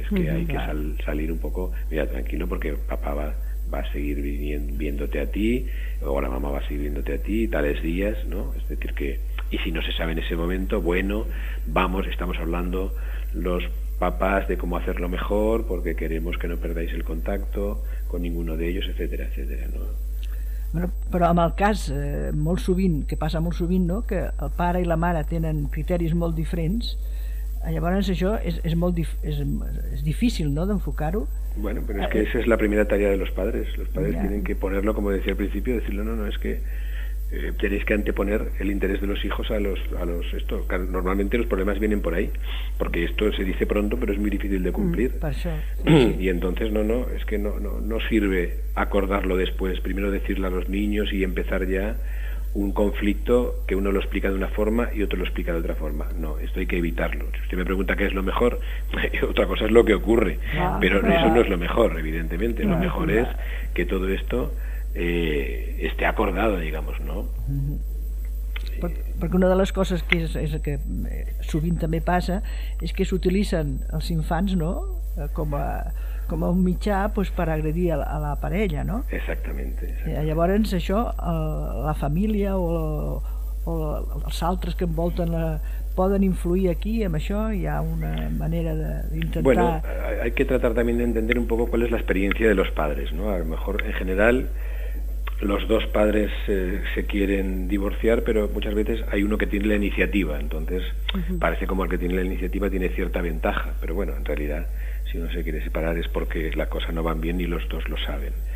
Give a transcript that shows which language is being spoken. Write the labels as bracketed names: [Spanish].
[Spanish] Es que hay que salir un poco, mira, tranquilo, porque papá va a seguir viéndote a ti, o la mamá va a seguir viéndote a ti tales días, ¿no? Es decir, que, y si no se sabe en ese momento, bueno, vamos, estamos hablando los papás de cómo hacerlo mejor, porque queremos que no perdáis el contacto con ninguno de ellos, etcétera, etcétera, ¿no? [Catalan] Bueno, però en el cas, molt sovint, que passa molt sovint, no?, que el pare i la mare tenen criteris molt diferents, llavors això és difícil, no?, d'enfocar-ho. [Spanish] Bueno, pero es que esa es la primera tarea de los padres. Los padres tienen que ponerlo, como decía al principio, decirlo, no, es que tenéis que anteponer el interés de los hijos a los esto. Normalmente los problemas vienen por ahí, porque esto se dice pronto, pero es muy difícil de cumplir. Y entonces, no sirve acordarlo después. Primero decirle a los niños y empezar ya un conflicto que uno lo explica de una forma y otro lo explica de otra forma. No, esto hay que evitarlo. Si usted me pregunta qué es lo mejor, otra cosa es lo que ocurre. Pero eso no es lo mejor, evidentemente. Lo mejor es que todo esto esté acordado, digamos, ¿no? [Catalan] Perquè una de les coses que és que sovint també passa és que s'utilitzen els infants, no?, com a un mitjà, pues, per agredir a la parella, no? [Spanish] Exactamente. [Catalan] Llavors això, la família o els altres que envolten poden influir aquí en això? Hi ha una manera d'intentar... [Spanish] Bueno, hay que tratar también de entender un poco cuál es la experiencia de los padres, ¿no? A lo mejor, en general, los dos padres se quieren divorciar, pero muchas veces hay uno que tiene la iniciativa, entonces parece como el que tiene la iniciativa tiene cierta ventaja, pero bueno, en realidad, si uno se quiere separar es porque la cosa no va bien y los dos lo saben.